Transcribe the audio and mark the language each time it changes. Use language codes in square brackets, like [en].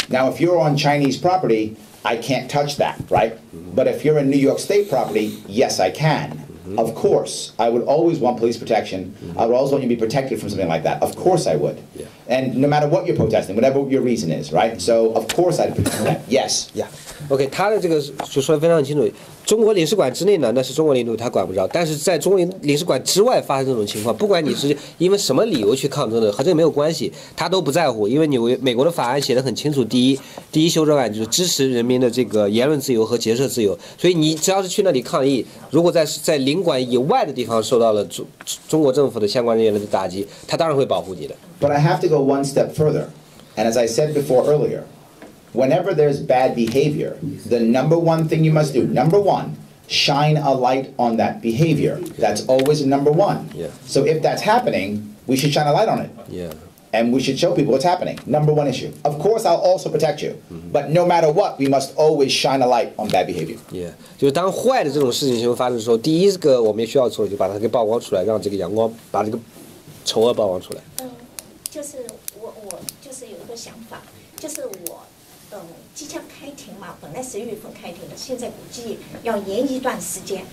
[en] Now, if you're on Chinese property, I can't touch that, right? But if you're in New York State property, yes, I can. Of course, I would always want police protection. I would always want you to be protected from something like that. Of course I would. Yeah. And no matter what you're protesting, whatever your reason is, right? So of course I'd protect that. Yes. Yeah. Okay, [zh] 他的这个就说得非常清楚。中国领事馆之内呢，那是中国领土，他管不着。但是在中国领事馆之外发生这种情况，不管你是因为什么理由去抗争的，和这个没有关系，他都不在乎。因为美国的法案写得很清楚，第一修正案就是支持人民的这个言论自由和结社自由。所以你只要是去那里抗议，如果在领馆以外的地方受到了中国政府的相关人员的打击，他当然会保护你的。 [en] But I have to go one step further, and as I said before earlier. Whenever there's bad behavior, the number one thing you must do, number one, shine a light on that behavior. That's always number one. Yeah. So if that's happening, we should shine a light on it. Yeah. And we should show people what's happening. Number one issue. Of course, I'll also protect you. Mm-hmm. But no matter what, we must always shine a light on bad behavior. Yeah. [zh] 就是当坏的这种事情发生的时候，第一个我们需要做的就把它给曝光出来，让这个阳光把这个丑恶曝光出来。就是我就是有一个想法，就是即将开庭嘛，本来10月份开庭的，现在估计要延一段时间。